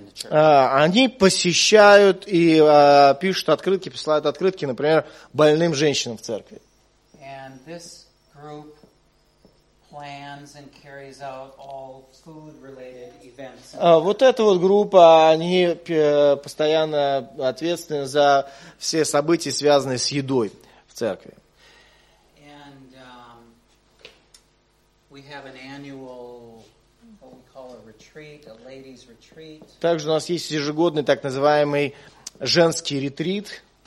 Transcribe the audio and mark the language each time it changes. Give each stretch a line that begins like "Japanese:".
Russian: Они посещают и пишут открытки, присылают открытки, например, больным женщинам в церкви.
English: And this group plans and carries out all food-related events.
Russian: Вот эта вот группа, они постоянно ответственны за все события, связанные с едой в церкви.
English: And we have an annual, what we call a retreat, a ladies' retreat.
Russian: Также у нас есть ежегодный так называемый женский ретрит.